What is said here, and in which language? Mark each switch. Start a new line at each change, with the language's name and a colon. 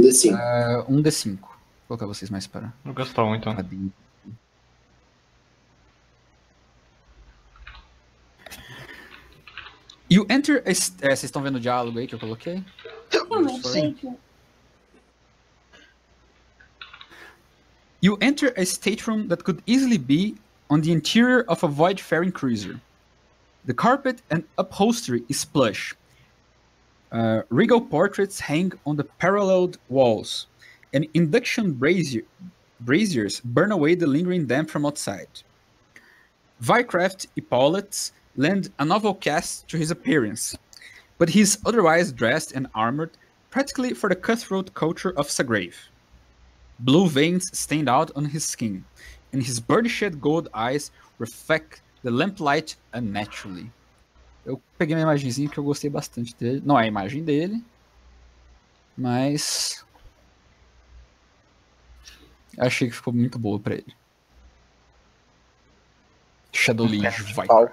Portuguese: D5. Um D5. Vou colocar vocês mais para... Vou gastar um, então. Cadinho. E o Enter... vocês estão vendo o diálogo aí que eu coloquei? Sim.
English: You enter a stateroom that could easily be on the interior of a Voidfaring cruiser. The carpet and upholstery is plush. Regal portraits hang on the paralleled walls, and induction braziers burn away the lingering damp from outside. Vycraft epaulets lend a novel cast to his appearance, but he's otherwise dressed and armored practically for the cutthroat culture of Sagrave. Blue veins stand out on his skin, and his burnished gold eyes reflect the lamplight unnaturally.
Portuguese: Eu peguei uma imagenzinha que eu gostei bastante dele. Não é a imagem dele, mas... achei que ficou muito boa pra ele. Shadow Liege, vai.